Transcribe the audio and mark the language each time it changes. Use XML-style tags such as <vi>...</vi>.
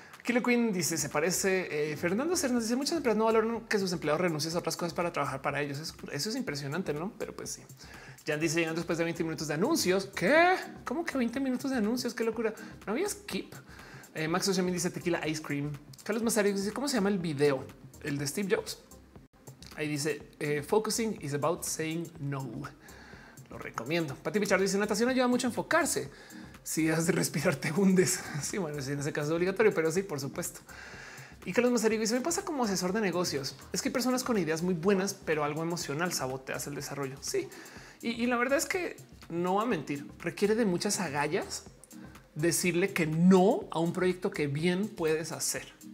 <es>Killer Queen dice se parece. Fernando Cernas dice muchas empresas no valoran que sus empleados renuncien a otras cosas para trabajar para ellos. Eso es impresionante, ¿no? Pero pues sí. Jan dice llegando después de 20 minutos de anuncios. ¿Qué? ¿Cómo que 20 minutos de anuncios? Qué locura. ¿No había skip? Max Oshemi dice</es> <en>tequila ice cream.</en> <es>Carlos Mazario dice ¿cómo se llama el video? ¿El de Steve Jobs? Ahí dice</es> <en>focusing is about saying no.</en> <es>Lo recomiendo. Pati Pichardo dice natación ayuda mucho a enfocarse. Si has de respirar, te hundes. Sí, bueno, en ese caso es obligatorio, pero sí, por supuesto. Y Carlos Mazarigo dice, me pasa como asesor de negocios. Es que hay personas con ideas muy buenas, pero algo emocional saboteas el desarrollo. Sí, y la verdad es que no va a mentir. Requiere de muchas agallas decirle que no a un proyecto que bien puedes hacer.</es>